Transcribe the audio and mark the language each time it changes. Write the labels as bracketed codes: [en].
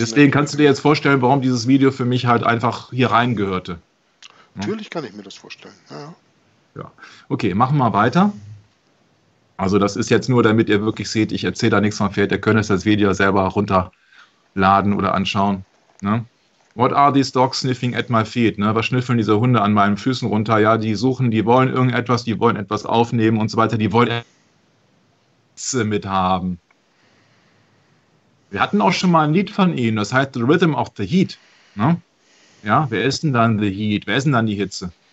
[de] Deswegen kannst du dir jetzt vorstellen, warum dieses Video für mich halt einfach hier reingehörte. Natürlich kann ich mir das vorstellen. Ja. Ja. Okay, machen wir mal weiter. Also das ist jetzt nur, damit ihr wirklich seht, ich erzähle da nichts von Pferd. Ihr könnt euch das Video selber runterladen oder anschauen. Ne? [en] What are these dogs sniffing at my feet? [de] Ne? Was schnüffeln diese Hunde an meinen Füßen runter? Ja, die suchen, die wollen irgendetwas aufnehmen und so weiter. Die wollen Katze mit haben. Wir hatten auch schon mal ein Lied von ihnen, das heißt The Rhythm of the Heat. Ne? Ja, wer ist denn dann The Heat? Wer ist denn dann die Hitze?